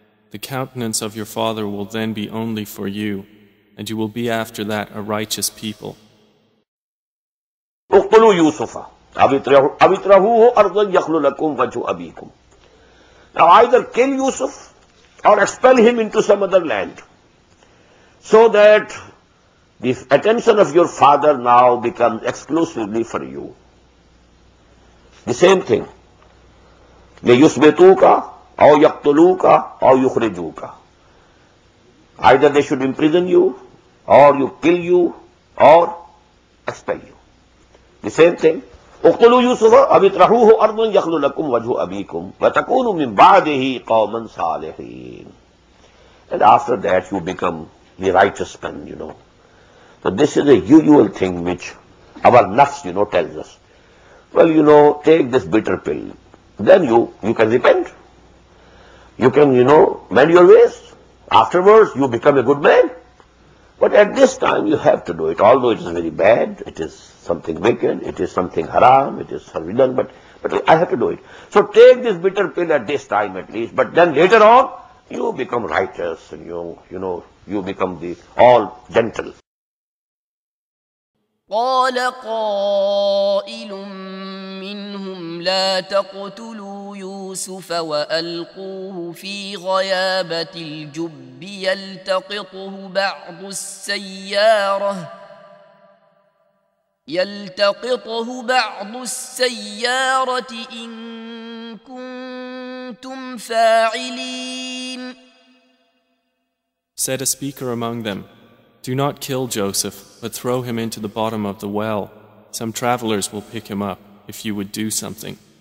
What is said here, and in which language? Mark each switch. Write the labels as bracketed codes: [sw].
[en] The countenance of your father will then be only for you, and you will be after that a righteous people. [ar] اقتلوا يوسف أو اطرحوه أرضا يخل لكم وجه أبيكم. [en] Now either kill Yusuf or expel him into some other land, so that the attention of your father now becomes exclusively for you. The same thing. [ar] ليثبتوك أو يقتلوك أو يخرجوك. [en] Either they should imprison you, or you kill you, or expel you. The same thing. [ar] اقتلوا یوسف اب اطرحوہ ارض یخلو لکم وجہ ابیکم وتکونوا من بعدہ قوما صالحین. [en] And after that you become the righteous man, you know. So this is a usual thing which our nafs, you know, tells us. Well, you know, take this bitter pill. Then you can repent. You can, you know, mend your ways. Afterwards, you become a good man. But at this time, you have to do it. Although it is very bad, it is something wicked, it is something haram, it is forbidden, but I have to do it. So take this bitter pill at this time at least. But then later on, you become righteous and you become the all gentle. [ar] قال قائل منهم لا تقتلوا يوسف وألقوه في غيابة الجب يلتقطه بعض السيارة إن كنتم فاعلين. [en] Said a speaker among them, "Do not kill Joseph, but throw him into the bottom of the well. Some travelers will pick him up if you would do something."